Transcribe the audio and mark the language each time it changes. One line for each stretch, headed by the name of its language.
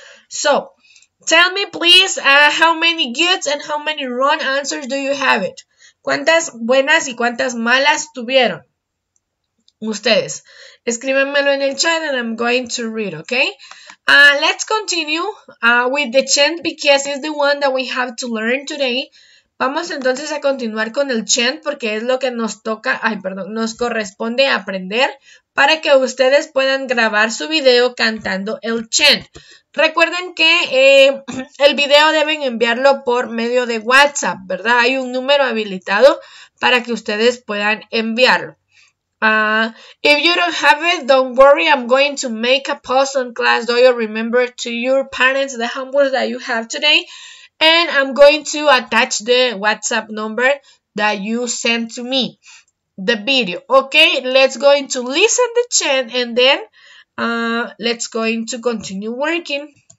English: So, tell me please how many good and how many wrong answers do you have it?
Spanish: ¿Cuántas buenas y cuántas malas tuvieron ustedes? Escríbanmelo en el chat
English: and I'm going to read, okay? Let's continue with the chant because it's the one that we have to learn today.
Spanish: Vamos entonces a continuar con el chant porque es lo que nos toca, nos corresponde aprender para que ustedes puedan grabar su video cantando el chant. Recuerden que el video deben enviarlo por medio de WhatsApp, ¿verdad? Hay un número habilitado para que ustedes puedan enviarlo.
English: If you don't have it, don't worry, I'm going to make a post on Class Dojo, remember to your parents the homework that you have today, and I'm going to attach the WhatsApp number that you sent to me, the video. Okay, let's go into listen the chant and then let's go into continue working.